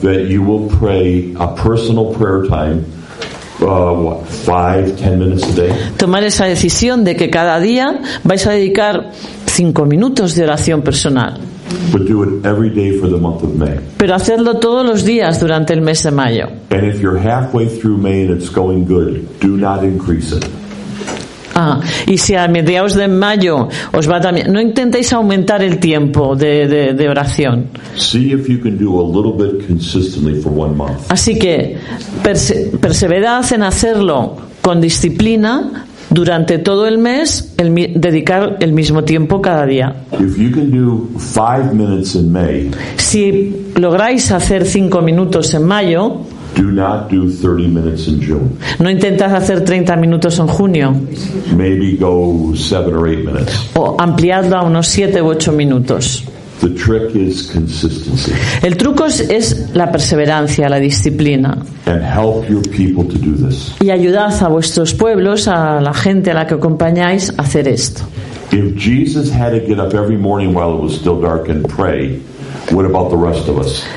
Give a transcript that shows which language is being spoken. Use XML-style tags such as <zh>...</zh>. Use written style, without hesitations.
<en>That you will pray a personal prayer time 5-10 minutes a day.</en> <es>Tomar esa decisión de que cada día vais a dedicar 5 minutos de oración personal.</es> <en>But do it every day for the month of May.</en> <es>Pero hacerlo todos los días durante el mes de mayo.</es> <en>And if you're halfway through May and it's going good, do not increase it.</en> <es>Ah, y si a mediados de mayo os va también, no intentéis aumentar el tiempo de oración.</es> <en>See if you can do a little bit consistently for one month.</en> <es>Así que perseverad en hacerlo con disciplina durante todo el mes, dedicar el mismo tiempo cada día.</es> <en>If you can do 5 minutes in May,</en> <es>si lográis hacer 5 minutos en mayo,</es> <en>do not do 30 minutes in June.</en> <es>No intentas hacer 30 minutos en junio.</es> <en>Maybe go 7 or 8 minutes.</en> <es>O ampliarlo a unos 7 u 8 minutos.</es> <en>The trick is consistency.</en> <es>El truco es la perseverancia, la disciplina.</es> <en>And help your people to do this.</en> <es>Y ayudad a vuestros pueblos, a la gente a la que acompañáis, a hacer esto.</es> <en>If Jesus had to get up every morning while it was still dark and pray, what about the rest of us?</en>